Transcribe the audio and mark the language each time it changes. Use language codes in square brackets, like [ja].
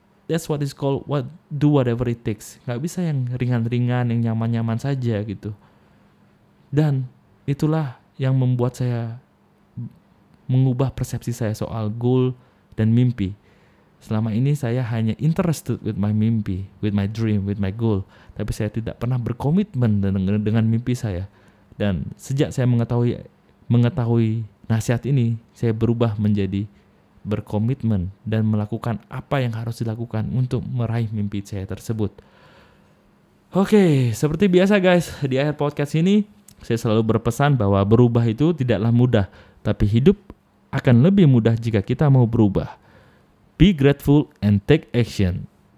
[en] That's what is called what do whatever it takes. [id] Gak bisa yang ringan-ringan, yang nyaman-nyaman saja gitu. Dan itulah yang membuat saya mengubah persepsi saya soal goal dan mimpi. Selama ini saya hanya [en] interested with my mimpi, with my dream, with my goal. [id] Tapi saya tidak pernah berkomitmen dengan mimpi saya. Dan sejak saya mengetahui nasihat ini, saya berubah menjadi berkomitmen dan melakukan apa yang harus dilakukan untuk meraih mimpi saya tersebut. Oke, seperti biasa guys, di akhir podcast ini saya selalu berpesan bahwa berubah itu tidaklah mudah, tapi hidup akan lebih mudah jika kita mau berubah. [en] Be grateful and take action.